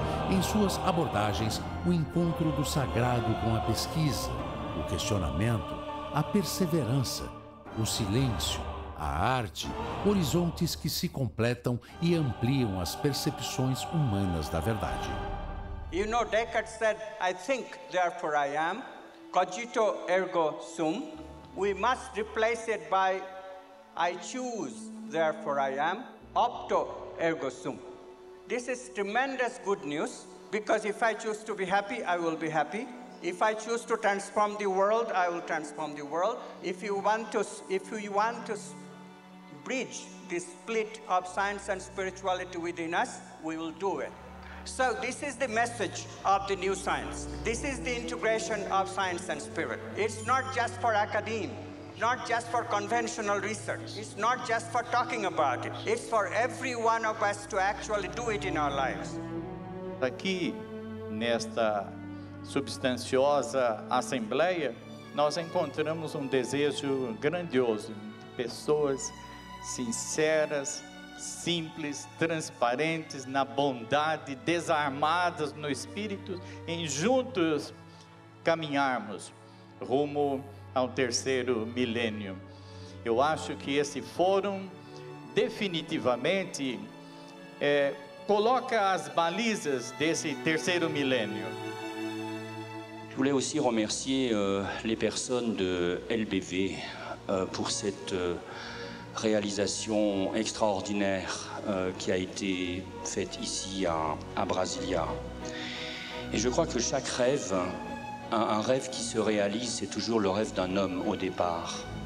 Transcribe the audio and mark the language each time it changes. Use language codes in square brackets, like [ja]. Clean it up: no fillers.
[pt] Em suas abordagens, o encontro do sagrado com a pesquisa, o questionamento, a perseverança, o silêncio, a arte, horizontes que se completam e ampliam as percepções humanas da verdade. [en] You know, Descartes said, "I think, therefore I am. [la] Cogito ergo sum." [en] We must replace it by "I choose, therefore I am. [la] Opto ergo sum." [en] This is tremendous good news, because if I choose to be happy, I will be happy. If I choose to transform the world, I will transform the world. If you want to bridge the split of science and spirituality within us, we will do it. So this is the message of the new science. This is the integration of science and spirit. It's not just for academe, not just for conventional research. It's not just for talking about it. It's for every one of us to actually do it in our lives. [pt] Aqui, nesta substanciosa assembleia, nós encontramos um desejo grandioso de pessoas sinceras, simples, transparentes, na bondade, desarmadas no espírito, em juntos caminharmos rumo ao terceiro milênio. Eu acho que esse fórum definitivamente coloca as balizas desse terceiro milênio. [fr] Je voulais aussi remercier les personnes de LBV, pour cette réalisation extraordinaire qui a été faite ici à Brasilia. Et je crois que chaque rêve, un rêve qui se réalise, c'est toujours le rêve d'un homme au départ.